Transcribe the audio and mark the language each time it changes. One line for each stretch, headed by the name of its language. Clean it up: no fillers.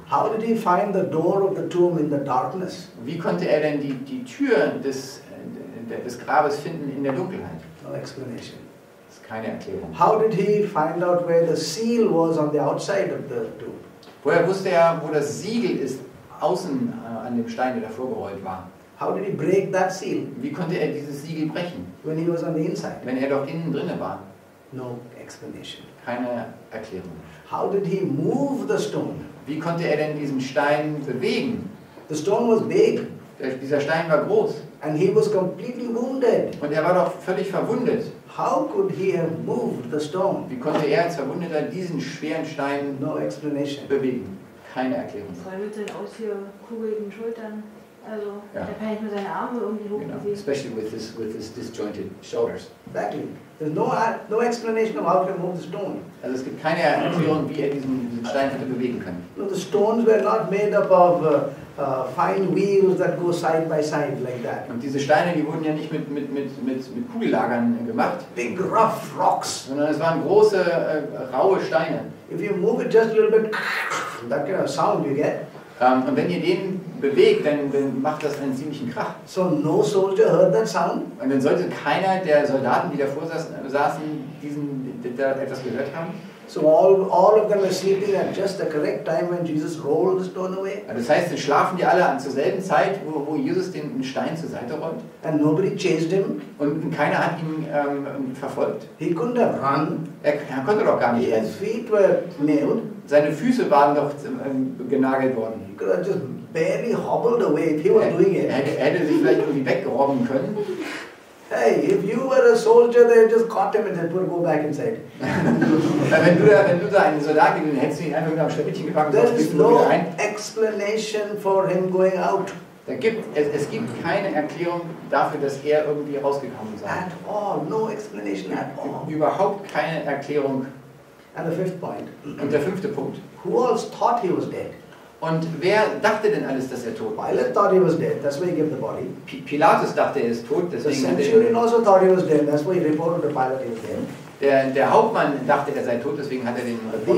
English: How did he find the door of the tomb in the darkness?
German: Wie konnte er denn die Tür des Grabes finden in der Dunkelheit?
English: No explanation.
German: Das ist keine Erklärung.
English: How did he find out where the seal was on the outside of the tomb?
German: Woher wusste er, wo das Siegel ist, außen an dem Stein, der davor gerollt war?
English: How did he break that seal?
German: Wie konnte er dieses Siegel brechen?
English: When he was on the inside.
German: Wenn er doch innen drinne war.
English: No explanation.
German: Keine Erklärung.
English: How did he move the stone?
German: Wie konnte er denn diesen Stein bewegen?
English: The stone was big.
German: Dieser Stein war groß.
English: And he was completely wounded.
German: Und er war doch völlig verwundet.
English: How could he have moved the stone?
German: Wie konnte er als Verwundeter diesen schweren Stein
English: no explanation.
German: Bewegen? Keine Erklärung. Vor allem mit seinen ausgekugelten Schultern. Also, ja. Er kann nicht nur seine Arme irgendwie hochbewegen. Genau.
English: Especially with his disjointed shoulders. Exactly. There's no explanation of how to move the stone.
German: Also es gibt keine Erklärung, wie er diesen Stein hätte bewegen können.
English: No, the stones were not made up of fine wheels that go side by side like that.
German: Und diese Steine, die wurden ja nicht mit Kugellagern gemacht.
English: Big rough rocks.
German: Sondern es waren große raue Steine.
English: If you move it just a little bit, that kind of sound you get.
German: Und wenn ihr den bewegt, dann macht das einen ziemlichen Krach.
English: So no soldier heard that sound.
German: Und dann sollte keiner der Soldaten, die davor saßen, der etwas gehört haben.
English: So all of them are sleeping at just the correct time when Jesus rolled the stone away.
German: Das heißt, dann schlafen die alle zur selben Zeit, wo Jesus den Stein zur Seite rollt.
English: And nobody chased him.
German: Und keiner hat ihn verfolgt.
English: He couldn't have run.
German: Er konnte doch gar nicht rennen.
English: His feet were nailed.
German: Seine Füße waren doch genagelt worden.
English: He could have just barely hobbled away if he was doing it.
German: Er hätte sich vielleicht irgendwie weggerobben können.
English: Hey, if you were a soldier, they just caught him and then put him back inside.
German: wenn du da einen Soldat gewesen, hättest du ihn einfach nur am Schleppchen gefangen.
English: There is no explanation for him going out.
German: Es gibt keine Erklärung dafür, dass er irgendwie rausgekommen ist.
English: At all, no explanation at all.
German: Überhaupt keine Erklärung.
English: And the fifth point.
German: Und der fünfte Punkt.
English: Who else thought he was dead?
German: Und wer dachte denn alles, dass er tot war?
English: Pilate thought he was dead. That's why he gave the body.
German: Pilatus dachte, er ist tot.
English: The centurion also thought he was dead. That's why he reported to Pilate he was dead.
German: Der Hauptmann dachte, er sei tot, deswegen hat er den Report